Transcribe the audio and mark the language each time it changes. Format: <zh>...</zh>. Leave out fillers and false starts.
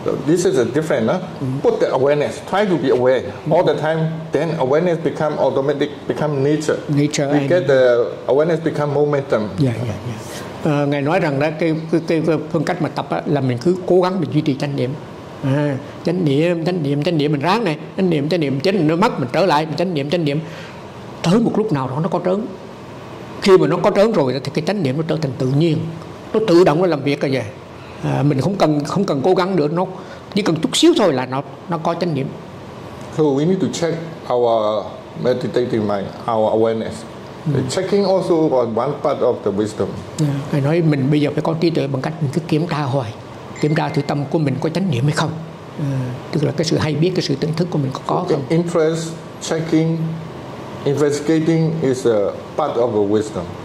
<en>So this is a different, huh? Put the awareness, try to be aware all the time, then awareness become automatic, become nature. We get the awareness become momentum. Yeah.</en> <vi>Ngài nói rằng đó cái phương cách mà tập là mình cứ cố gắng mình duy trì chánh niệm. Chánh niệm mình ráng này, chánh niệm chánh niệm nó mất mình trở lại chánh niệm. Tới một lúc nào đó nó có trớn. Khi mà nó có trớn rồi thì cái chánh niệm nó trở thành tự nhiên, nó tự động nó làm việc rồi vậy. Mình không cần cố gắng nữa, nó chỉ cần chút xíu thôi là nó có chánh niệm.</vi> <en>So we need to check our meditating mind, our awareness. Checking also one part of the wisdom.</en> <vi>Ngài nói mình bây giờ phải có trí tuệ bằng cách mình cứ kiểm tra hoài, kiểm tra thử tâm của mình có chánh niệm hay không. Tức là cái sự hay biết, cái sự tỉnh thức của mình có không.</vi> <en>Interest, checking, investigating is a part of a wisdom.</en>